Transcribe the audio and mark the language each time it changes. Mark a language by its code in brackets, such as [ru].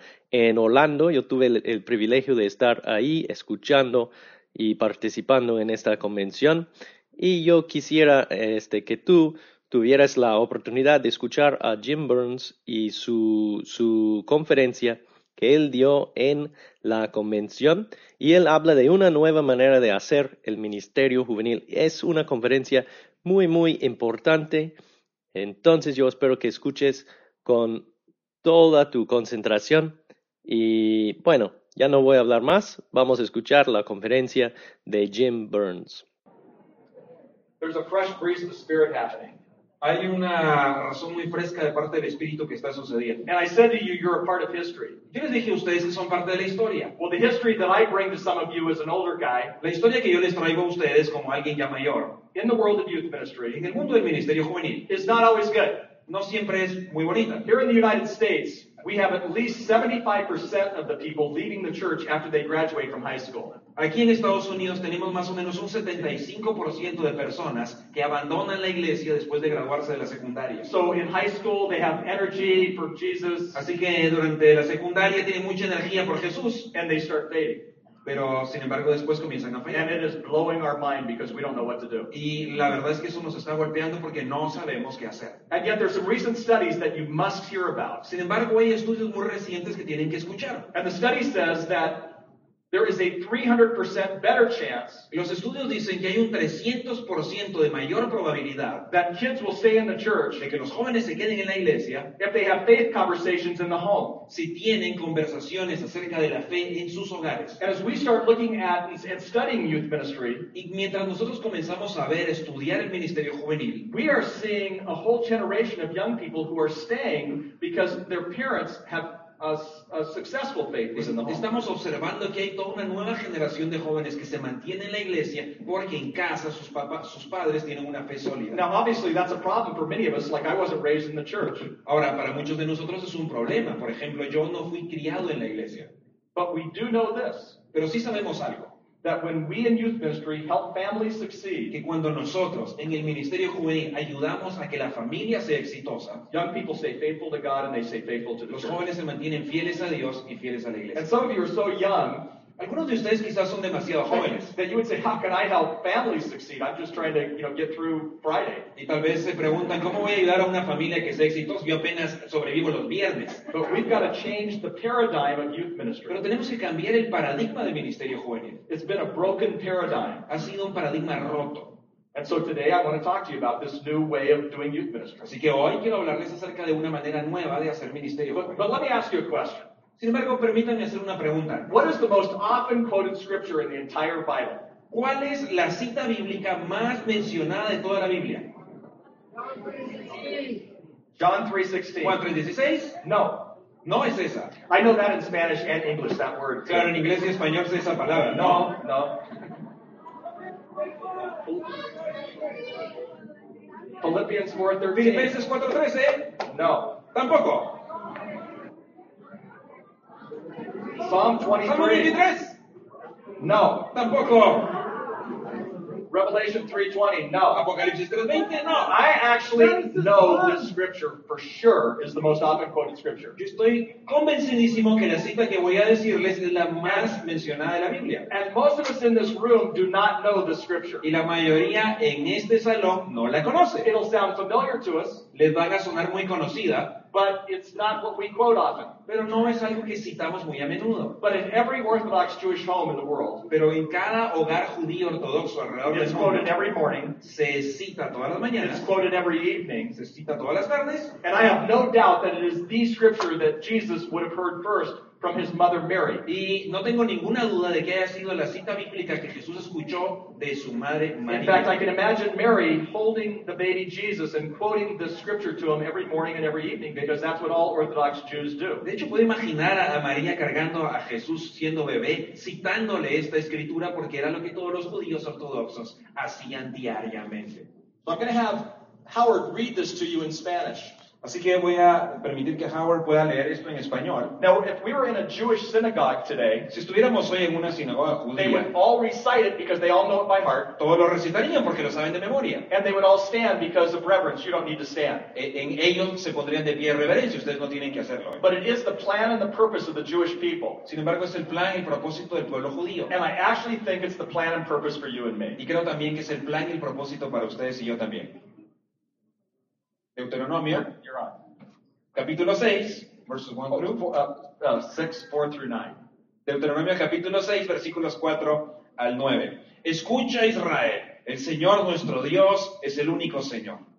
[es] En Orlando, yo tuve el privilegio de estar ahí escuchando y participando en esta convención, y yo quisiera que tú tuvieras la oportunidad de escuchar a Jim Burns y su conferencia que él dio en la convención, y él habla de una nueva manera de hacer el ministerio juvenil. Es una conferencia muy, muy importante, entonces yo espero que escuches con toda tu concentración. Y bueno, ya no voy a hablar más. Vamos a escuchar la conferencia de Jim Burns. [en] There's a fresh breeze of the spirit happening. [es] Hay una razón muy fresca de parte del espíritu que está sucediendo. [en] And I said to you, you're a part of history. [es] Yo les dije a ustedes que son parte de la historia. [en] Well, the history that I bring to some of you as an older guy. [es] La historia que yo les traigo a ustedes como alguien ya mayor. [en] In the world of youth ministry, [es] en el mundo del ministerio juvenil, [en] is not always good. [es] No siempre es muy bonita. [en] Here in the United States, we have at least 75% of the people leaving the church after they graduate from high school. [es] Aquí en Estados Unidos tenemos más o menos un 75% de personas que abandonan la iglesia después de graduarse de la secundaria. [en] So in high school, they have energy for Jesus. [es] Así que durante la secundaria tienen mucha energía por Jesús. [en] And they start dating. [es] Pero sin embargo después comienzan a fallar. [en] And it is blowing our mind because we don't know what to do. [es] Y la verdad es que eso nos está golpeando porque no sabemos qué hacer. [en] And yet there's some recent studies that you must hear about. [es] Sin embargo hay estudios muy recientes que tienen que escuchar. [en] And the study says that there is a 300% better chance. [es] Los estudios dicen que hay un 300% de mayor probabilidad [en] that kids will stay in the church, [es] de que los jóvenes se queden en la iglesia, [en] if they have faith conversations in the home, [es] si tienen conversaciones acerca de la fe en sus hogares. [en] And as we start looking at and studying youth ministry, [es] y mientras nosotros comenzamos a ver, estudiar el ministerio juvenil, [en] we are seeing a whole generation of young people who are staying because their parents have a successful faith in the home. [es] Estamos observando que hay toda una nueva generación de jóvenes que se mantiene en la iglesia porque en casa sus padres tienen una fe sólida. [en] Now obviously that's a problem for many of us, like I wasn't raised in the church. [es] Ahora, para muchos de nosotros es un problema. Por ejemplo, yo no fui criado en la iglesia. [en] But we do know this. [es] Pero sí sabemos algo. [en] That when we in youth ministry help families succeed, [es] que cuando nosotros en el ministerio juvenil ayudamos a que la familia sea exitosa, [en] young people stay faithful to God and they stay faithful to the [es] los [en] church. [es] Jóvenes se mantienen fieles a Dios y fieles a la iglesia. [en] And some of you are so young. [es] Algunos de ustedes quizás son demasiado jóvenes. [en] That you would say, how can I help families succeed? I'm just trying to, you know, get through Friday. [es] Y tal vez se preguntan, ¿cómo voy a ayudar a una familia que sea exitosa? Yo apenas sobrevivo los viernes. [en] But we've got to change the paradigm of youth ministry. [es] Pero tenemos que cambiar el paradigma del ministerio juvenil. [en] It's been a broken paradigm. [es] Ha sido un paradigma roto. [en] And so today I want to talk to you about this new way of doing youth ministry. [es] Así que hoy quiero hablarles acerca de una manera nueva de hacer ministerio juvenil. [en] But let me ask you a question. [es] Sin embargo, permítanme hacer una pregunta. [en] What is the most often quoted scripture in the entire Bible? [es] ¿Cuál es la cita bíblica más mencionada de toda la Biblia? [en] John 3:16. [es] ¿Juan 3:16? [en] No. [es] No es esa. [en] I know that in Spanish and English, that word. [es] Claro, en inglés y español es esa palabra. [en] No, no. Philippians 4:13. [es] ¿Filipenses 4:13? [en] No. [es] Tampoco. [en] Psalm 23. [es] No. Tampoco. [en] Revelation 3:20, no. [es] Apocalipsis 3:20, no. [en] I actually know this scripture for sure is the most often quoted scripture. [es] Yo estoy convencidísimo que la cita que voy a decirles es la más mencionada de la Biblia. [en] And most of us in this room do not know the scripture. [es] Y la mayoría en este salón no la conoce. [en] It'll sound familiar to us. [es] Les van a sonar muy conocida. [en] But it's not what we quote often. [es] Pero no es algo que citamos muy a menudo. [en] But in every Orthodox Jewish home in the world, [es] pero en cada hogar judío ortodoxo alrededor del mundo, [en] it's quoted every morning. [es] Se cita todas las mañanas. [en] It's quoted every evening. [es] Se cita todas las tardes. [en] And I have no doubt that it is the scripture that Jesus would have heard first from his mother Mary. [es] Y no tengo ninguna duda de que haya sido la cita bíblica que Jesús escuchó de su madre María. [en] In fact, I can imagine Mary holding the baby Jesus and quoting the scripture to him every morning and every evening, because that's what all Orthodox Jews do. [es] De hecho, puedo imaginar a María cargando a Jesús siendo bebé, citándole esta escritura porque era lo que todos los judíos ortodoxos hacían diariamente. [en] So I'm going to have Howard read this to you in Spanish. [es] Así que voy a permitir que Howard pueda leer esto en español. [en] Now, if we were in a Jewish synagogue today, [es] si estuviéramos hoy en una sinagoga judía, [en] they would all recite it because they all know it by heart. [es] Todos lo recitarían porque lo saben de memoria. [en] And they would all stand because of reverence. You don't need to stand. [es] En ellos se pondrían de pie en reverencia. Ustedes no tienen que hacerlo. [en] But it is the plan and the purpose of the Jewish people. [es] Sin embargo, es el plan y propósito del pueblo judío. [en] And I actually think it's the plan and purpose for you and me. [es] Y creo también que es el plan y el propósito para ustedes y yo también. Deuteronomio, [en] you're on. [es] Capítulo 6, versos 1 [en] through 4, 6, 4 through 9. [es] Deuteronomio, capítulo 6, versículos 4 al 9. Escucha, Israel, el Señor nuestro Dios es el único Señor.